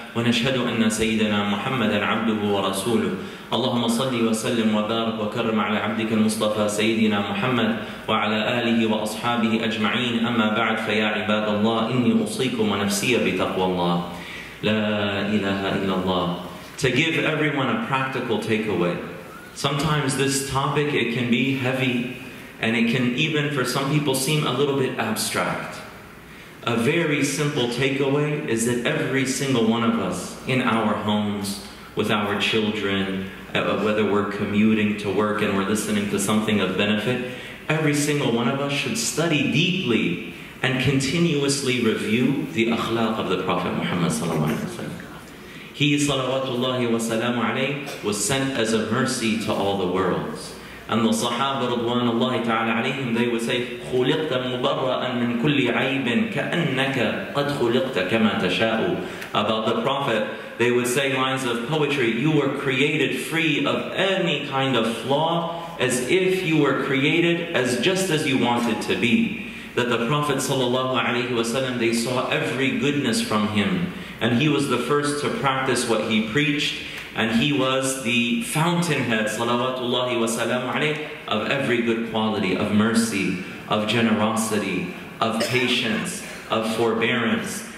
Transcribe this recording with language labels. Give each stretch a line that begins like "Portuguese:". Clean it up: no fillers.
Arabic: ونشهد أن سيدنا محمدًا عبده ورسوله. اللهم صلِّ وسلِّم وبارك وكرم على عبدك المصطفى سيدنا محمد وعلى آله وأصحابه أجمعين. أما بعد، فيا عباد الله، إني أوصيكم ونفسي بتقوى الله. لا إله إلا الله.
English: To give everyone a practical takeaway. Sometimes this topic, it can be heavy, and it can even for some people seem a little bit abstract. A very simple takeaway is that every single one of us in our homes, with our children, whether we're commuting to work and we're listening to something of benefit, every single one of us should study deeply and continuously review the akhlaq of the Prophet Muhammad sallallahu alaihi wasallam. He, salawatullahi wa salamu alayhi, was sent as a mercy to all the worlds. And the Sahaba, radwanullahi ta'ala alayhim, they would say,
Arabic: خُلِقْتَ مُبَرَّأً مِنْ كُلِّ عَيْبٍ كَأَنَّكَ قَدْ خُلِقْتَ كَمَا تَشَاءُ.
English: About the Prophet, they would say lines of poetry, you were created free of any kind of flaw, as if you were created as just as you wanted to be. That the Prophet, sallallahu alayhi wa sallam, they saw every goodness from him. And he was the first to practice what he preached, and he was the fountainhead, salawatullahi wa salamu alayhi, of every good quality, of mercy, of generosity, of patience, of forbearance.